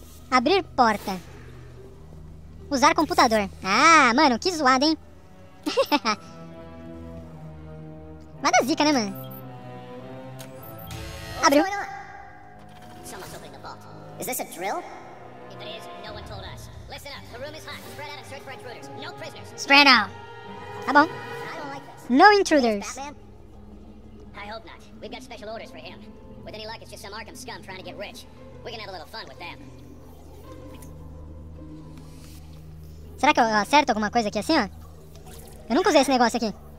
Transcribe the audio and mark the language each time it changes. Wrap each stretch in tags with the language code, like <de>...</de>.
<pt>Abrir porta. Usar computador. Ah, mano, que zoado, hein? Vai dar zica, né, mano? Abriu. O que está acontecendo? Alguém está abrindo o vault. É isso um drill? Se é, ninguém nos contou.</pt> <en>Listen up, the room is hot. Spread out and search for intruders. No prisoners. Spread out.</en> <pt>Tá bom.</pt> <en>No intruders. I hope not. We've got special orders for him. With any luck, it's just some Arkham scum trying to get rich. We can have a little fun with them.</en> <pt>Será que eu acerto alguma coisa aqui assim, ó? Eu nunca usei esse negócio aqui.</pt>